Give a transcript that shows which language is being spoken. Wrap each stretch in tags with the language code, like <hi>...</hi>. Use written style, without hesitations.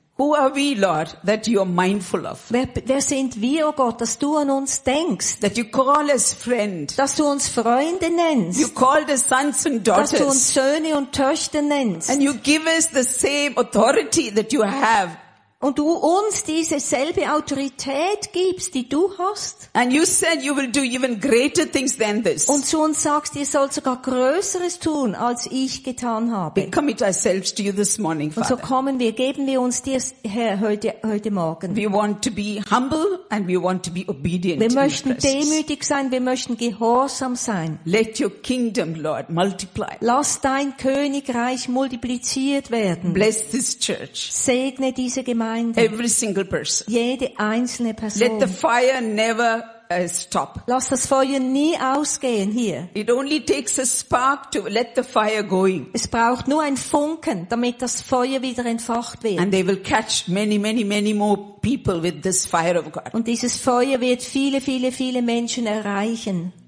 <en>Who are we, Lord, that you are mindful of?</en> <de>Wer sind wir, oh Gott, dass du an uns denkst?</de> <en>That you call us friend.</en> <de>Dass du uns Freunde nennst.</de> <en>You call us sons and daughters.</en> <de>Dass du uns Söhne und Töchter nennst.</de> <en>And you give us the same authority that you have.</en> <de>Und du uns diese selbe Autorität gibst, die du hast.</de> <en>And you said you will do even greater things than this.</en> <de>Und zu uns sagst, ihr sollt sogar Größeres tun, als ich getan habe.</de> <en>We commit ourselves to you this morning, Father.</en> <de>Und so kommen wir, geben wir uns dir, Herr, heute Morgen.</de> <en>We want to be humble and we want to be obedient.</en> <de>Wir möchten demütig sein, wir möchten gehorsam sein.</de> <en>Let your kingdom, Lord, multiply.</en> <de>Lass dein Königreich multipliziert werden.</de> <en>Bless this church.</en> <de>Segne diese Gemeinde.</de> <en>Every single person.</en> <de>Jede einzelne Person.</de> <en>Let the fire never stop.</en> <de>Lass das Feuer nie ausgehen hier.</de> <en>It only takes a spark to let the fire going.</en> <de>Es braucht nur ein Funken, damit das Feuer wieder entfacht wird.</de> <en>And they will catch many, many, many more people with this fire of God.</en> <de>Und dieses Feuer wird viele, viele, viele Menschen erreichen.</de>